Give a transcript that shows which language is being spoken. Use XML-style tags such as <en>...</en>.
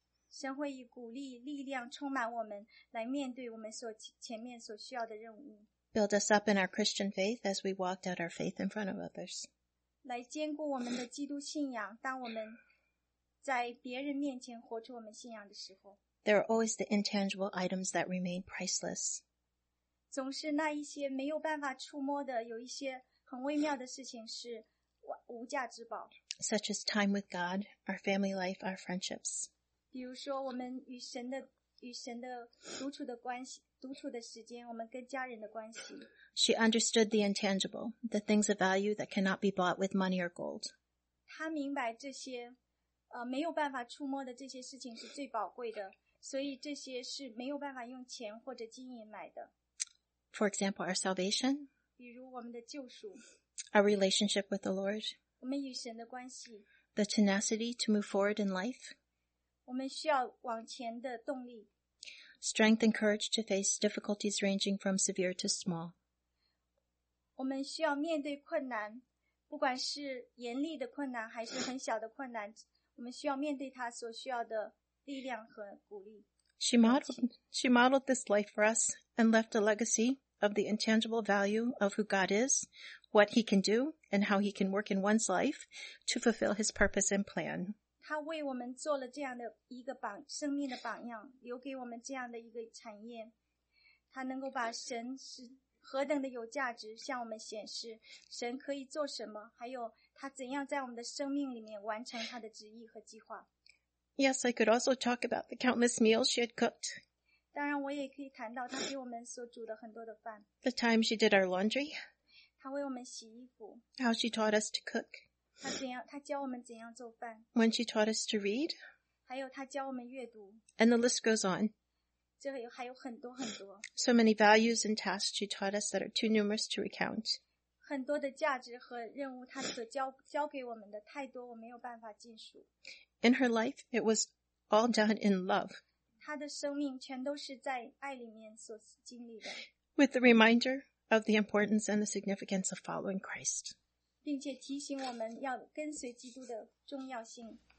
<zh>神会以鼓励、力量充满我们，来面对我们所前面所需要的任务。</zh> <en>Build us up in our Christian faith as we walked out our faith in front of others.</en> <zh>来坚固我们的基督信仰，当我们在别人面前活出我们信仰的时候。</zh> <en>There are always the intangible items that remain priceless.</en> <zh>总是那一些没有办法触摸的，有一些很微妙的事情是无价之宝。</zh> <en>Such as time with God, our family life, our friendships.</en> <zh>比如说我们与神的独处的关系，独处的时间，我们跟家人的关系。</zh> <en>She understood the intangible, the things of value that cannot be bought with money or gold.</en> <zh>她他明白这些没有办法触摸的这些事情是最宝贵的，所以这些是没有办法用钱或者金银买的。</zh> <en>For example, our salvation.</en> <zh>比如我们的救赎。</zh> <en>Our relationship with the Lord.</en> <zh>我们与神的关系。</zh> <en>The tenacity to move forward in life.</en> <zh>我们需要往前的动力。</zh> <en>Strength and courage to face difficulties ranging from severe to small.</en> <zh>我们需要面对困难，不管是严厉的困难还是很小的困难，我们需要面对它所需要的力量和鼓励。</zh> <en>She modeled this life for us and left a legacy of the intangible value of who God is, what he can do, and how he can work in one's life to fulfill his purpose and plan.</en> <zh>他为我们做了这样的一个榜，生命的榜样，留给我们这样的一个产业。他能够把神是何等的有价值向我们显示，神可以做什么，还有他怎样在我们的生命里面完成他的旨意和计划。</zh> <en>Yes, I could also talk about the countless meals she had cooked.</en> <zh>当然我也可以谈到她给我们所煮的很多的饭。</zh> <en>The time she did our laundry.</en> <zh>她为我们洗衣服。</zh> <en>How she taught us to cook.</en> <zh>她教我们怎样做饭。</zh> <en>When she taught us to read.</en> <zh>还有她教我们阅读。</zh> <en>And the list goes on.</en> <zh>这还有很多很多。</zh> <en>So many values and tasks she taught us that are too numerous to recount.</en> <zh>很多的价值和任务她所教给我们的太多，我没有办法尽数。</zh> <en>In her life, it was all done in love.</en> <zh>她的生命全都是在爱里面所经历的。</zh> <en>With the reminder of the importance and the significance of following Christ.</en> <zh>并且提醒我们要跟随基督的重要性。</zh>